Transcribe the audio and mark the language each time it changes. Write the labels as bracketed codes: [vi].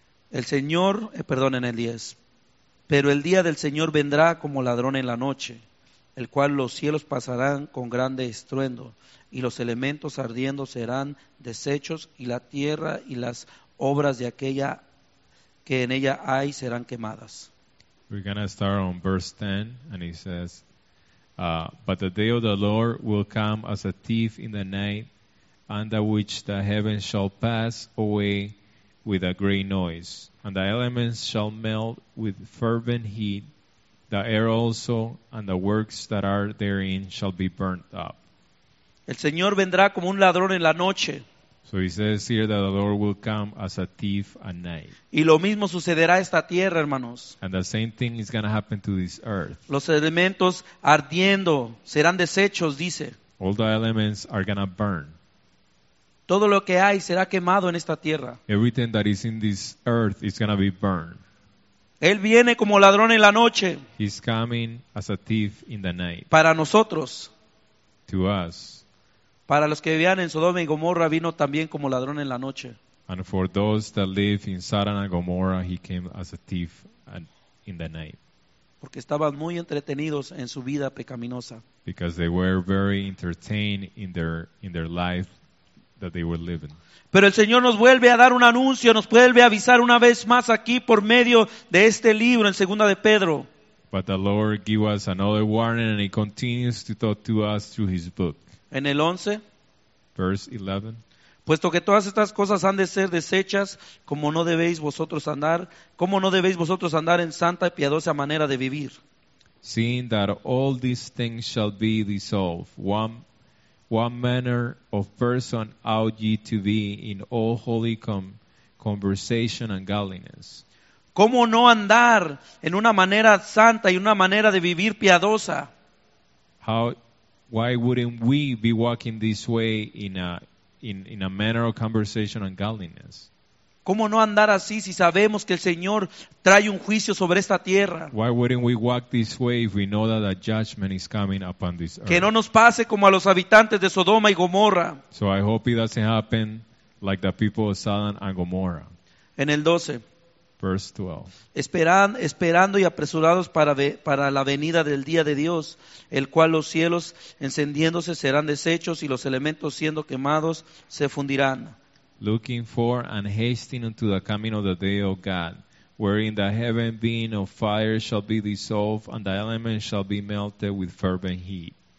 [es] En el 10. Pero el día del Señor vendrá como ladrón en la noche, el cual los cielos pasarán con grande estruendo, y los elementos ardiendo serán deshechos, y la tierra y las obras de aquella que en ella hay serán quemadas. [en] We're going to start on verse 10, and he says, but the day of the Lord will come as a thief in the night, under which the heavens shall pass away with a great noise, and the elements shall melt with fervent heat, the air also, and the works that are therein shall be burnt up. [es] El Señor vendrá como un ladrón en la noche. [en] So he says here that the Lord will come as a thief at night. [es] Y lo mismo sucederá a esta tierra, hermanos. [en] And the same thing is going to happen to this earth. [es] Los elementos ardiendo serán desechos, dice. [en] All the elements are going to burn. [es] Todo lo que hay será quemado en esta tierra. [en] Everything that is in this earth is going to be burned. [es] Él viene como ladrón en la noche. [en] He's coming as a thief in the night. [es] Para nosotros. [en] To us. [es] Para los que vivían en Sodoma y Gomorra, vino también como ladrón en la noche. [en] And for those that live in Sodom and Gomorrah, he came as a thief in the night. [es] Porque estaban muy entretenidos en su vida pecaminosa. [en] Because they were very entertained in their life that they were living. [es] Pero el Señor nos vuelve a dar un anuncio, nos vuelve a avisar una vez más aquí por medio de este libro en Segunda de Pedro. [en] But the Lord gives us another warning and He continues to talk to us through His book. [es] En el 11. [en] Verse 11. [es] Puesto que todas estas cosas han de ser desechas, como no debéis vosotros andar, como no debéis vosotros andar en santa y piadosa manera de vivir. [en] Seeing that all these things shall be dissolved, what manner of person ought ye to be in all holy conversation and godliness? [es] ¿Cómo no andar en una manera santa y una manera de vivir piadosa? [en] Why wouldn't we be walking this way in a manner of conversation and godliness? [es] ¿Cómo no andar así si sabemos que el Señor trae un juicio sobre esta tierra? [en] Why wouldn't we walk this way if we know that a judgment is coming upon this earth? [es] Que no nos pase como a los habitantes de Sodoma y Gomorra. [en] So I hope it doesn't happen like the people of Sodom and Gomorrah. [es] En el 12. [en] Verse 12. [es] Esperando y apresurados para la venida del día de Dios, el cual los cielos encendiéndose serán deshechos y los elementos siendo quemados se fundirán. [en] Looking for and hasting unto the coming of the day of God, wherein the heaven being of fire shall be dissolved and the elements shall be melted with fervent heat.